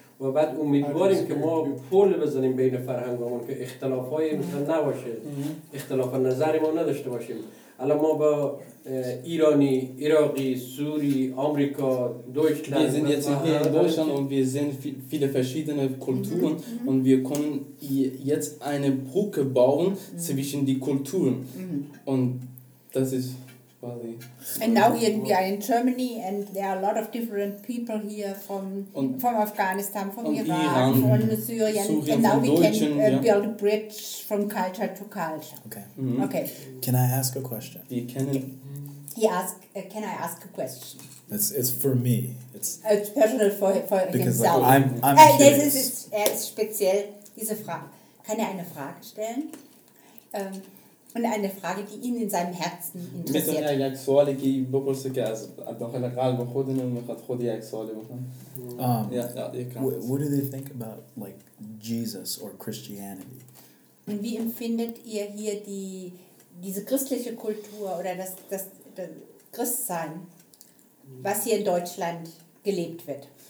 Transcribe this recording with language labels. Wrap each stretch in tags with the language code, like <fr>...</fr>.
<fa>و بعد امیدواریم که ما پول بزنیم بین فرهنگامون که اختلافای مثلا نباشه اختلاف نظری ما نداشته باشیم الان ما با ایرانی عراقی سوری آمریکا دوچلند</fa> <de>wir sind jetzt hier in Deutschland und wir sehen viele verschiedene Kulturen und wir können jetzt eine Brücke bauen zwischen die Kulturen und das ist quasi</de> <en>And now we are in Germany and there are a lot of different people here from Afghanistan, from Iran, from Syrian. And now we</en> <de>Deutschen,</de> <en>can build a bridge from culture to culture. Okay. Mm-hmm. Okay. Can I ask a question? Can I ask a question? It's for me. It's personal for because himself. Because I'm curious.</en> <de>Das ist jetzt speziell diese Frage. Kann er eine Frage stellen? Und eine Frage, die ihn in seinem Herzen interessiert.</de> <en>What do they think about like Jesus or Christianity?</en> <de>Und wie empfindet ihr hier diese christliche Kultur oder das Christsein, was hier in Deutschland gelebt wird?</de>